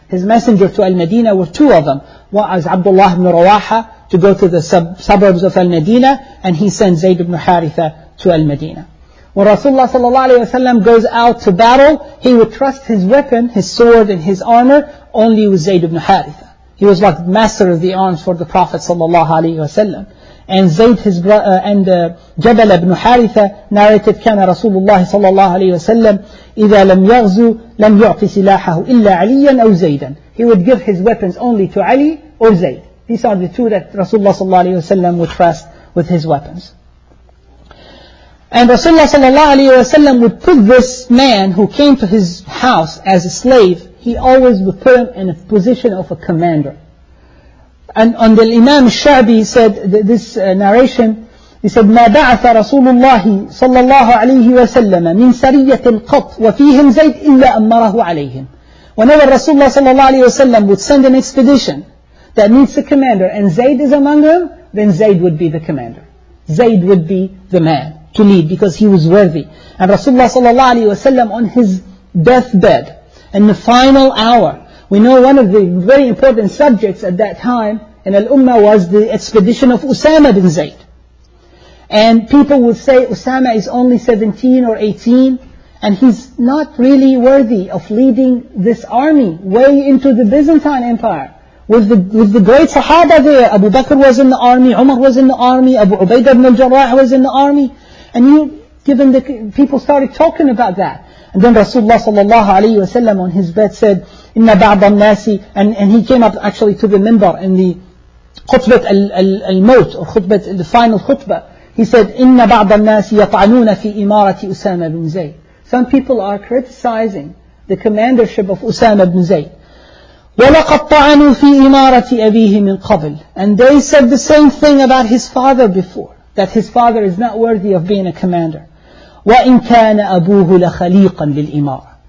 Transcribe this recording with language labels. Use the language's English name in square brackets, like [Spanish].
[English] His messenger to Al-Madinah were two of them. One was Abdullah ibn Rawaha to go to the suburbs of Al-Madinah, and he sent Zayd ibn Haritha to Al-Madinah. When Rasulullah sallallahu alayhi wasallam goes out to battle, he would trust his weapon, his sword and his armor only with Zayd ibn Haritha. He was like master of the arms for the Prophet sallallahu alayhi wasallam. And Zayd Jabal ibn Haritha narrated, [Arabic] كان رسول الله صلى الله عليه وسلم إذا لم يغزو لم يعطي سلاحه إلا عليا أو زيدا. [English] He would give his weapons only to Ali or Zayd. These are the two that Rasulullah صلى الله عليه وسلم would trust with his weapons. And Rasulullah صلى الله عليه وسلم would put this man who came to his house as a slave, he always would put him in a position of a commander. And on the Imam Shabi said this narration, he said, [Arabic] مَا بَعَثَ رَسُولُ اللَّهِ صَلَّى اللَّهُ عَلَيْهِ وَسَلَّمَ مِنْ سَرِيَّةٍ قَطْ وَفِيهِمْ زَيْدٍ إِلَّا أَمَّرَهُ عَلَيْهِمْ. [English] Whenever Rasulullah sallallahu alayhi wa sallam would send an expedition that needs a commander and Zayd is among them, then Zayd would be the commander. Zayd would be the man to lead because he was worthy. And Rasulullah sallallahu alayhi wa sallam on his deathbed, in the final hour, we know one of the very important subjects at that time in Al-Ummah was the expedition of Usama bin Zayd. And people would say Usama is only 17 or 18 and he's not really worthy of leading this army way into the Byzantine Empire. With the great Sahaba there, Abu Bakr was in the army, Umar was in the army, Abu Ubaidah ibn al-Jarrah was in the army. And people started talking about that. And then Rasulullah sallallahu alayhi wa sallam on his bed said, [Arabic] إِنَّ بَعْضَ النَّاسِ [English] and he came up actually to the minbar in the khutbat al-maut or khutbat, the final khutbah. He said, [Arabic] إِنَّ بَعْضَ النَّاسِ يَطْعَنُونَ فِي إِمَارَةِ أُسَامَ بِنْ زَيْدٍ. [English] Some people are criticizing the commandership of Usama ibn Zayd. [Arabic] وَلَقَدْ طَعَنُوا فِي إِمَارَةِ أَبِيهِ مِنْ قَبْلٍ. [English] And they said the same thing about his father before, that his father is not worthy of being a commander. [Arabic] وَإِنْ كَانَ أَبُوهُ لَخَلِيقًا لِلْإِمَارَةِ.